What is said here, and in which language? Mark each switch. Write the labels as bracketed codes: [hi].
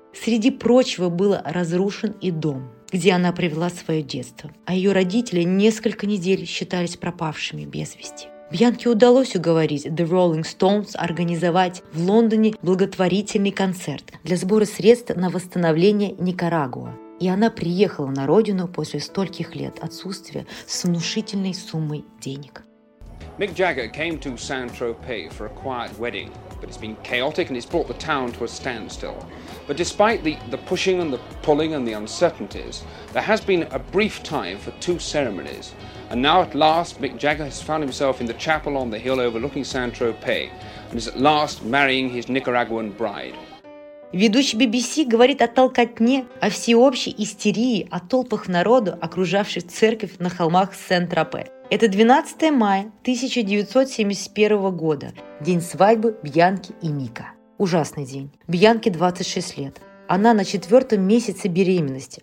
[ru] Среди прочего был разрушен и дом, где она провела свое детство, а ее родители несколько недель считались пропавшими без вести. Бьянке удалось уговорить The Rolling Stones организовать в Лондоне благотворительный концерт для сбора средств на восстановление Никарагуа. И она приехала на родину после стольких лет отсутствия с внушительной суммой денег. [en] Mick Jagger came to Saint-Tropez for a quiet wedding, but it's been chaotic and it's brought the town to a standstill. But despite the pushing and the pulling and the uncertainties, there has been a brief time for two ceremonies. And now at last, Mick Jagger has found himself in the chapel on the hill overlooking Saint-Tropez and is at last marrying his Nicaraguan bride. [ru] Ведущий BBC говорит о толкотне, о всеобщей истерии, о толпах народу, окружавших церковь на холмах Сен-Тропе. Это 12 мая 1971 года, день свадьбы Бьянки и Мика. Ужасный день. Бьянке 26 лет. Она на четвертом месяце беременности.